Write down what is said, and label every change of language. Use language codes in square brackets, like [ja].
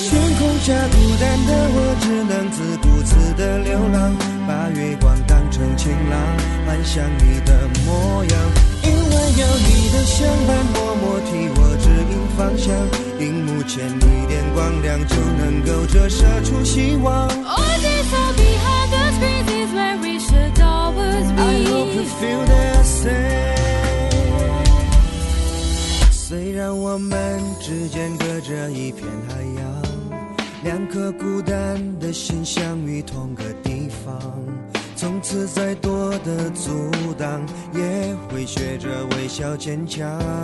[zh] 天空下孤单的我只能自独自的流浪，把月光当成晴朗，幻想你的模样。因为有你的相伴，默默替我指引方向，荧幕前一点光亮就能够折射出希望。 [en] All this all behind the screens is where we should always be. I hope you feel the same. [zh] 虽然我们之间隔着一片海洋，两颗孤单的心相遇同个地方，从此再多的阻挡也会学着微笑坚强。